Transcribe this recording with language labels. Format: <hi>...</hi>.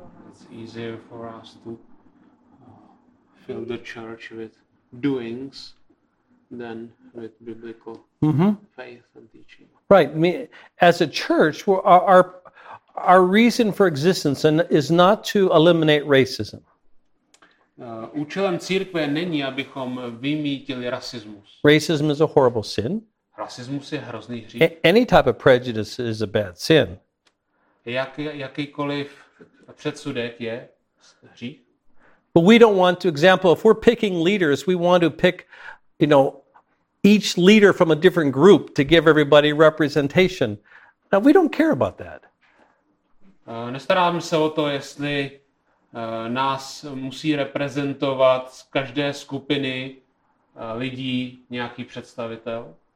<en>It's easier for us to fill the church with doings than with biblical faith and teaching. Right. I mean, as a church, our reason for existence is not to eliminate racism.</en> <cs>Účelem církve není, abychom vymítili rasismus.</cs> <en>Racism is a horrible sin.</en> <cs>Rasismus je hrozný hřích.</cs> <en>Any type of prejudice is a bad sin.</en> <cs>Jakýkoliv předsudek je hřích.</cs> <en>But we don't want to example if we're picking leaders, we want to pick, you know, each leader from a different group to give everybody representation. Now we don't care about that.</en> <cs>Nestaráme se o to, jestli nás musí reprezentovat z každé skupiny lidí nějaký představitel.</cs>